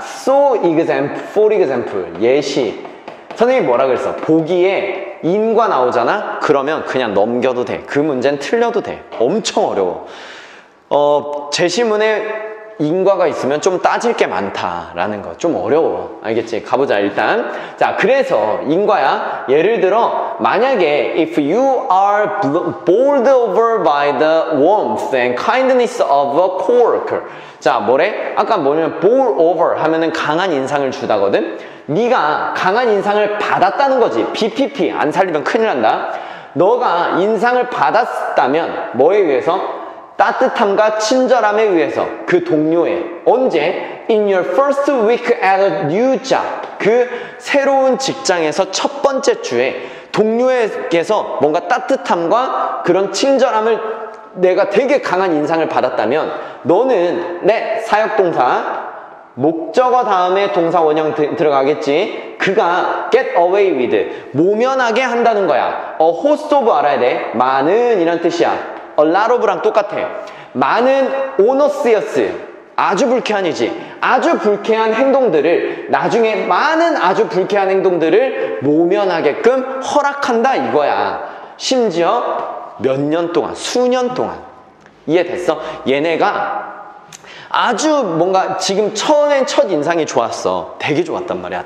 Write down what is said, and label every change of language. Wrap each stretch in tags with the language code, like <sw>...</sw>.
<en>So example, for example,</en> <ko>예시. 선생님이 뭐라 그랬어? 보기에 인과 나오잖아? 그러면 그냥 넘겨도 돼. 그 문제는 틀려도 돼. 엄청 어려워. 제시문에 인과가 있으면 좀 따질 게 많다라는 거. 좀 어려워. 알겠지? 가보자, 일단. 자, 그래서 인과야. 예를 들어, 만약에</ko> <en>if you are bowled over by the warmth and kindness of a coworker.</en> <ko>자, 뭐래? 아까 뭐냐면 bowl over 하면은 강한 인상을 주다거든? 네가 강한 인상을 받았다는 거지. BPP, 안 살리면 큰일 난다. 너가 인상을 받았다면 뭐에 의해서? 따뜻함과 친절함에 의해서. 그 동료의. 언제?</ko> <en>In your first week at a new job.</en> <ko>그 새로운 직장에서 첫 번째 주에 동료에게서 뭔가 따뜻함과 그런 친절함을, 내가 되게 강한 인상을 받았다면 너는 내 사역동사 목적어 다음에 동사 원형 들어가겠지. 그가 get away with, 모면하게 한다는 거야. A host of 알아야 돼. 많은 이런 뜻이야. A lot of랑 똑같아. 많은 onus였. 아주 불쾌한이지. 아주 불쾌한 행동들을, 나중에 많은 아주 불쾌한 행동들을 모면하게끔 허락한다 이거야. 심지어 몇 년 동안, 수년 동안. 이해됐어? 얘네가 아주 뭔가 지금 처음엔 첫 인상이 좋았어. 되게 좋았단 말이야.</ko>